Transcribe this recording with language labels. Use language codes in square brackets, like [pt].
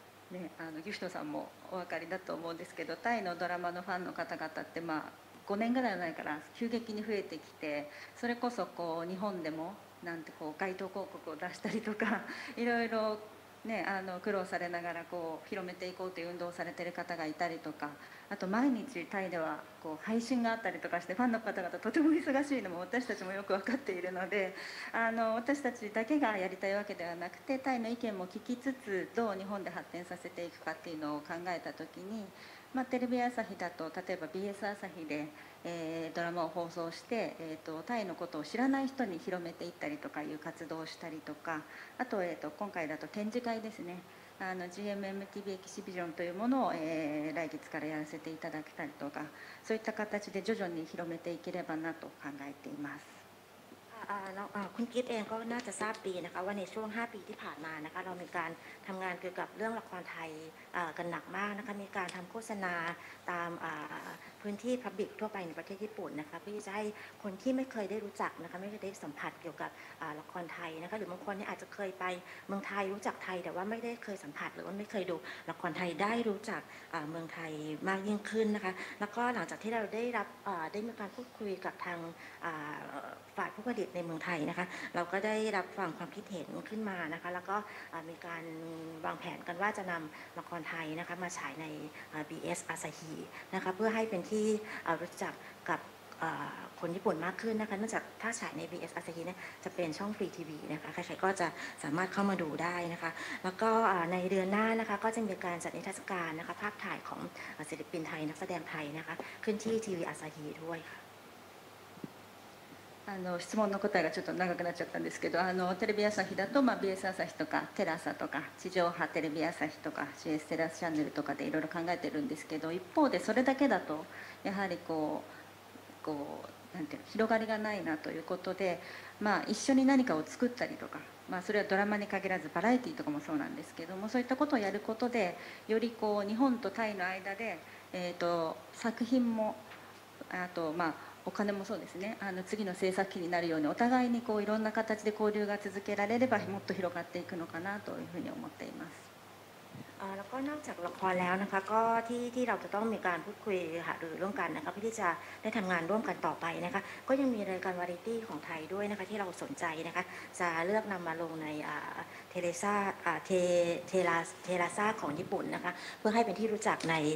[ja] ね、ギフトさんもお分かりだと思うんですけど、タイのドラマのファンの方々って、まあ、5年ぐらい前から急激に増えてきて、それこそこう日本でもなんてこう街頭広告を出したりとかいろいろ、ね、苦労されながらこう広めていこうという運動をされている方がいたりとか、あと毎日タイではこう配信があったりとかして、ファンの方々とても忙しいのも私たちもよく分かっているので、私たちだけがやりたいわけではなくて、タイの意見も聞きつつどう日本で発展させていくかっていうのを考えた時に、まあテレビ朝日だと例えば BS 朝日でドラマを放送して、タイのことを知らない人に広めていったりとかいう活動をしたりとか、あと今回だと展示会ですね、GMMTV エキシビジョンというものを来月からやらせていただけたりとか、そういった形で徐々に広めていければなと考えています。 [th] คุณกิฟต์เองก็น่าจะทราบดีนะคะว่าในช่วง5ปีที่ผ่านมานะคะเรามีการทํางานเกี่ยวกับเรื่องละครไทยกันหนักมากนะคะมีการทําโฆษณาตามพื้นที่พับบิคทั่วไปในประเทศญี่ปุ่นนะคะเพื่อจะให้คนที่ไม่เคยได้รู้จักนะคะไม่เคยได้สัมผัสเกี่ยวกับละครไทยนะคะหรือบางคนเนี่ยอาจจะเคยไปเมืองไทยรู้จักไทยแต่ว่าไม่ได้เคยสัมผัสหรือว่าไม่เคยดูละครไทยได้รู้จักเมืองไทยมากยิ่งขึ้นนะคะแล้วก็หลังจากที่เราได้รับได้มีการพูดคุยกับทาง ฝ่ายผู้ผลิตในเมืองไทยนะคะเราก็ได้รับฟังความคิดเห็นขึ้นมานะคะแล้วก็มีการวางแผนกันว่าจะนำละครไทยนะคะมาฉายใน BS Asahi นะคะเพื่อให้เป็นที่รู้จักกับคนญี่ปุ่นมากขึ้นนะคะเนื่องจากถ้าฉายใน BS Asahi เนี่ยจะเป็นช่องฟรีทีวีนะคะใครๆก็จะสามารถเข้ามาดูได้นะคะแล้วก็ในเดือนหน้านะคะก็จะมีการจัดนิทรรศการนะคะภาพถ่ายของศิลปินไทยนักแสดงไทยนะคะขึ้นที่ทีวี Asahi ด้วย。 [ja] 質問の答えがちょっと長くなっちゃったんですけど、テレビ朝日だと、まあ、BS 朝日とかテラサとか地上波テレビ朝日とか CS テラスチャンネルとかでいろいろ考えてるんですけど、一方でそれだけだとやはりこうなんていうの、広がりがないなということで、まあ、一緒に何かを作ったりとか、まあ、それはドラマに限らずバラエティとかもそうなんですけども、そういったことをやることでよりこう日本とタイの間で、作品もあと、まあお金もそうですね。次の政策期になるようにお互いにこういろんな形で交流が続けられればもっと広がっていくのかなというふうに思っています。 [th] แล้วก็นอกจากละครแล้วนะคะก็ที่เราจะต้องมีการพูดคุยหารือร่วมกันนะคะเพื่อที่จะได้ทำงานร่วมกันต่อไปนะคะก็ยังมีรายการวาไรตี้ของไทยด้วยนะคะที่เราสนใจนะคะจะเลือกนำมาลงในเทเลซ่าเทราซ่าของญี่ปุ่นนะคะเพื่อให้เป็นที่รู้จักใน